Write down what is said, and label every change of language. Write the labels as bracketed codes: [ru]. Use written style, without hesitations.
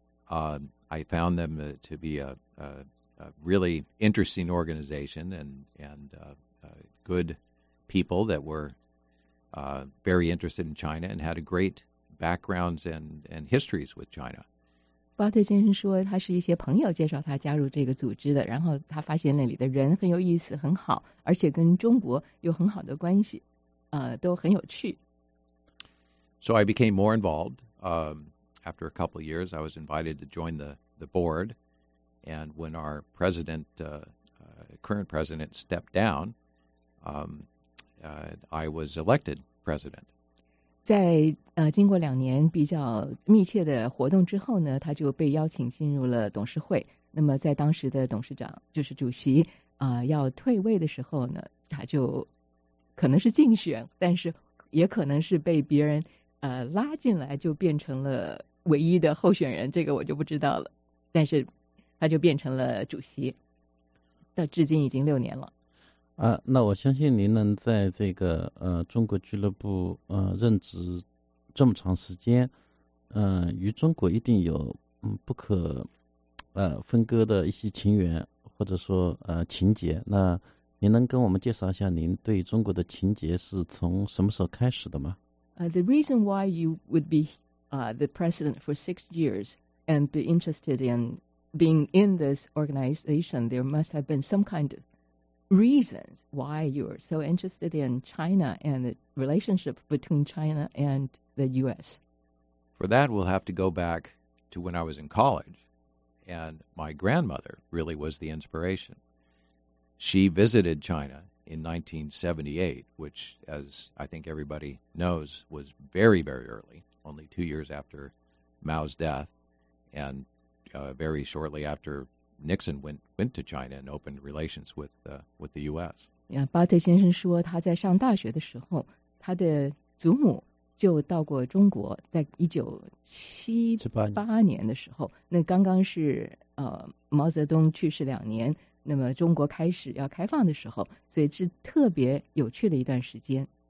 [en] I found them to be a really interesting organization and good people that were very interested in China and had a great backgrounds and histories with China. [zh] 巴特先生说，他是一些朋友介绍他加入这个组织的，然后他发现那里的人很有意思，很好，而且跟中国有很好的关系，都很有趣。 [en] So I became more involved. After a couple of years, I was invited to join the board. And when our president, current president, stepped down, I was elected president. [zh] 在经过2年比较密切的活动之后呢，他就被邀请进入了董事会。那么在当时的董事长就是主席要退位的时候呢，他就可能是竞选，但是也可能是被别人拉进来，就变成了唯一的候选人，这个我就不知道了。但是他就变成了主席，到至今已经6年了。那我相信您能在这个中国俱乐部任职这么长时间，与中国一定有不可分割的一些情缘或者说情结。那您能跟我们介绍一下您对中国的情结是从什么时候开始的吗？ [en] The reason why you would be the president for 6 years and be interested in being in this organization, there must have been some kind of reasons why you're so interested in China and the relationship between China and the U.S. For that, we'll have to go back to when I was in college, and my grandmother really was the inspiration. She visited China in 1978, which, as I think everybody knows, was very, very early, only 2 years after Mao's death, and very shortly afterNixon went to China and opened relations with the U.S. [zh] Yeah, 巴特先生说他在上大学的时候，他的祖母就到过中国，在1978年的时候，那刚刚是毛泽东去世2年，那么中国开始要开放的时候，所以是特别有趣的一段时间。